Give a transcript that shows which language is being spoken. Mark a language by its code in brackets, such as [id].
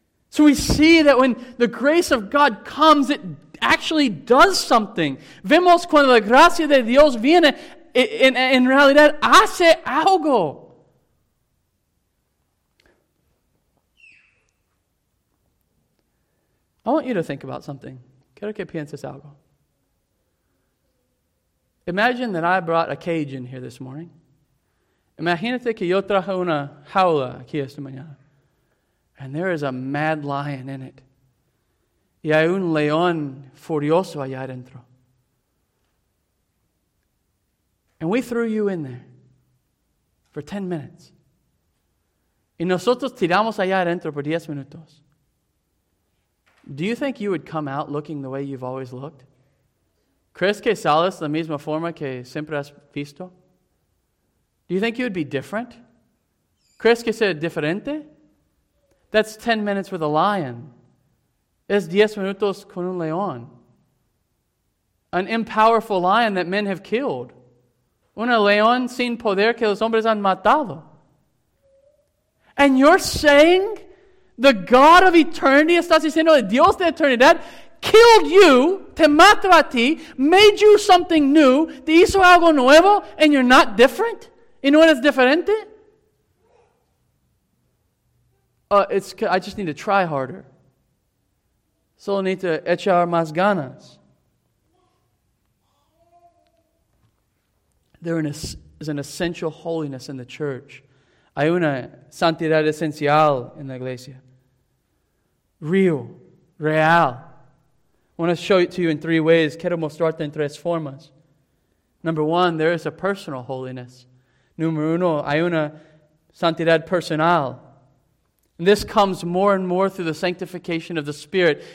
[en] So we see that when the grace of God comes, it actually does something. [es] Vemos cuando la gracia de Dios viene, en realidad hace algo. [en] I want you to think about something. [es] Quiero que pienses algo. [en] Imagine that I brought a cage in here this morning. [es] Imagínate que yo traje una jaula aquí esta mañana. [en] And there is a mad lion in it. [es] Y hay un león furioso allá adentro. [en] And we threw you in there for 10 minutes. [es] Y nosotros tiramos allá adentro por 10 minutos. [en] Do you think you would come out looking the way you've always looked? [es] ¿Crees que sales de la misma forma que siempre has visto? [en] Do you think you would be different? [es] ¿Crees que sea diferente? [en] That's 10 minutes with a lion. [es] Es 10 minutos con un león. [en] An impowerful lion that men have killed. [es] Un león sin poder que los hombres han matado. [en] And you're saying the God of eternity, [es] estás diciendo el Dios de eternidad, [en] killed you, [es] te mató a ti, [en] made you something new, [es] te hizo algo nuevo, [en] and you're not different? [es] ¿Y no eres diferente? [en] I just need to try harder. [es] Solo [en] need to [es] echar más ganas. [en] There is an essential holiness in the church. [es] Hay una santidad esencial en la iglesia. [en] Real, real. I want to show it to you in three ways. [es] Quiero mostrarte en tres formas. [en] Number one, there is a personal holiness. [es] Número uno, hay una santidad personal. [en] And this comes more and more through the sanctification of the Spirit.